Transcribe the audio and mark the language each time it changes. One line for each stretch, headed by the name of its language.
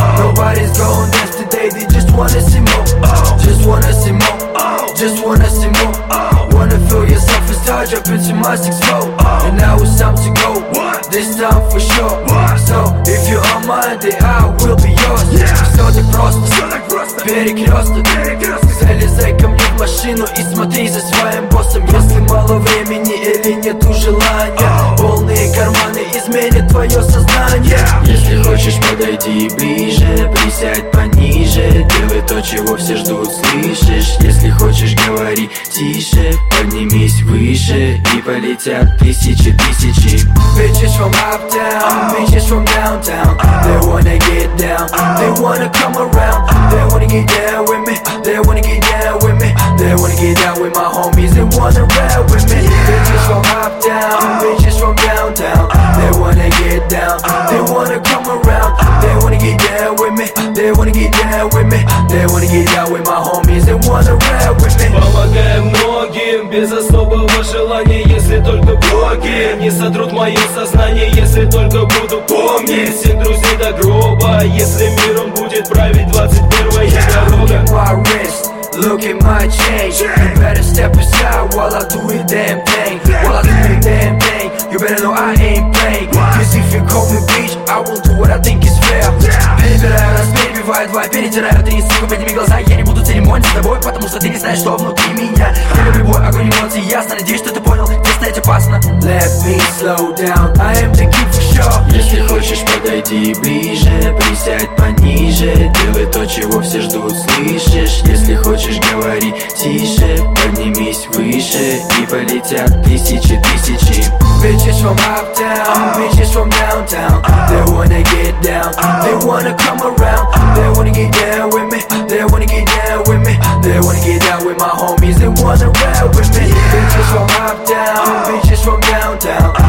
English: Nobody's gonna dance today, they just wanna see more. Just wanna see more, just wanna see more. Wanna feel yourself and start jumping to my 6-4. And now it's time to go, this time for sure. So if you are mine, then I will be yours.
Russian: Все так просто, перекресток. Залезай ко мне в машину и смотри за своим боссом. Если мало времени или нету желания, полные карманы изменят твое сознание. Если хочешь, подойди ближе, присядь пониже. Делай то, чего все ждут, слышишь? Если хочешь, говори тише, поднимись выше, и полетят тысячи, тысячи.
English: Bitches from uptown, bitches from downtown. They wanna get down, they wanna come around. They wanna get down with me, they wanna get down with me. They wanna get down with my homies, they wanna ride with me. Bitches from uptown, bitches from downtown. They wanna get down, they wanna come around. They wanna get down with me, they wanna get down with me. They wanna get down with my homies, they wanna ride with me.
Russian: Помогаем многим без особого желания. Если только боги не сотрут мое сознание. Если только буду помнить всех друзей до гроба. Если миром будет править 21-я дорога.
English: Look at my chain. You better step aside while I do it damn thing. While I do it damn thing, you better know I ain't playing. Cause if you call me bitch, I will do what I think is fair.
Russian: Перебираю раз, перебиваю два, перетираю три, сука, подними глаза. Я не буду церемониться с тобой, потому что ты не знаешь, что внутри меня. Я люблю бой, огонь, эмоции, ясно, надеюсь, что ты понял, где стоять опасно.
English: Let me slow down, I am the king for sure.
Russian: Если хочешь, подойди ближе, присядь пониже. Делай то, чего все ждут, слышишь? Если хочешь, говори тише, поднимись выше, и полетят тысячи, тысячи.
English: Bitches from uptown, bitches from downtown. They wanna get down, they wanna come around. They wanna get down with me, they wanna get down with me. They wanna get down with my homies, they wanna ride with me. Bitches from uptown, bitches from downtown.